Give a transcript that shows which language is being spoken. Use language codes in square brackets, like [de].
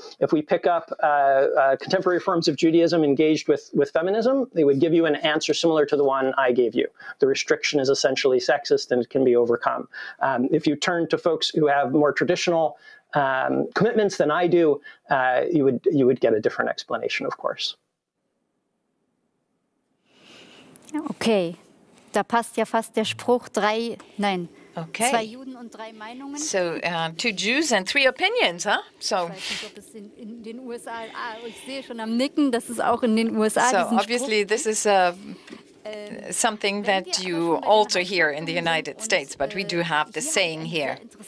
[en] If we pick up contemporary forms of Judaism engaged with feminism, they would give you an answer similar to the one I gave you. The restriction is essentially sexist and can be overcome. If you turn to folks who have more traditional commitments than I do, you would get a different explanation, of course. [de] Okay. Da passt ja fast der Spruch drei, nein, Okay. Zwei Juden und drei Meinungen. [en] So, two Jews and three opinions, huh? So. So, obviously, this is something that you also hear in the United States, but we do have the saying here.